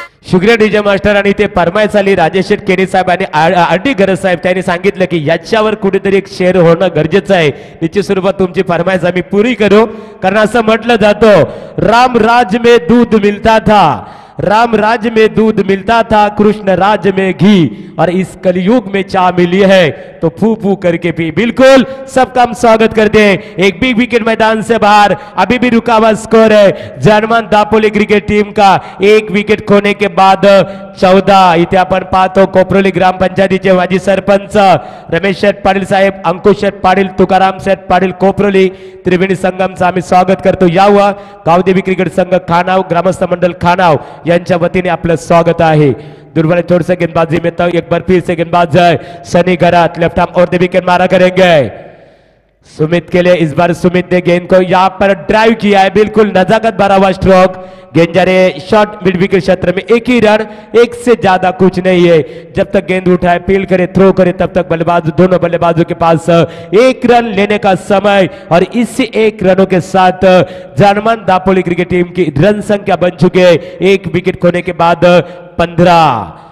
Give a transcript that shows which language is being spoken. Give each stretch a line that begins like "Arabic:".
Marathi: शुक्रिया DJ master आणि ते परमायसाली राजेश केणी साहेब आणि आरडी घरत साहेब त्यांनी सांगितलं की याच्यावर कुठेतरी एक शेअर होणं गरजेचं आहे निश्चित स्वरूपात तुमची फरमायस आम्ही पूरी करू कारण असं म्हटलं जातो
Hindi: राम राज में दूध मिलता था राम राज में दूध मिलता था, कृष्ण राज में घी, और इस कलयुग में चाय मिली है तो फू फू करके पी। बिल्कुल सबका हम स्वागत करते हैं। एक भी विकेट मैदान से बाहर, अभी भी रुका हुआ स्कोर है जर्मन दापोली क्रिकेट टीम का, एक विकेट खोने के बाद 14।
Marathi: इथे आपण पाहतो कोपरोली ग्राम पंचायतीचे माजी सरपंच रमेश शेठ पाटील साहेब, अंकुश शेठ पाटील, तुकाराम शेठ पाटील, कोपरोली त्रिवेणी संघमचं आम्ही स्वागत करतो। यावा गावदेवी क्रिकेट संघ खानाव, ग्रामस्थ मंडळ खानाव यांच्या वतीने आपलं स्वागत आहे।
Hindi: दुर्बले थोड़ से गेंदबाजी में, तो एक बार फिर से गेंदबाज है सनी गरत, लेफ्ट आर्म और विकेट मारा करेंगे सुमित के लिए। इस बार सुमित ने गेंद को यहां पर ड्राइव किया है, बिल्कुल नजाकत भरा हुआ स्ट्रोक, गेंद जा रही है शॉर्ट मिड विकेट क्षेत्र में। एक ही रन, एक से ज्यादा कुछ नहीं है। जब तक गेंद उठाए, फील करे, थ्रो करे, तब तक बल्लेबाज, दोनों बल्लेबाजों के पास एक रन लेने का समय, और इसी एक रनों के साथ जर्मन दापोली क्रिकेट टीम की रन संख्या बन चुके है एक विकेट खोने के बाद 15।